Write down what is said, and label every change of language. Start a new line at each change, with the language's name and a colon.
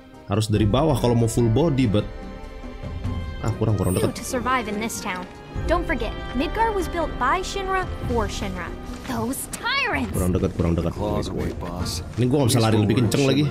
Indonesian: Harus dari bawah kalau mau full body, but kurang dekat.
English: To survive in this town, don't forget Midgar was built by Shinra for Shinra. Those tyrants.
Indonesian: Kurang dekat. Ini gue nggak bisa lari lebih kenceng lagi.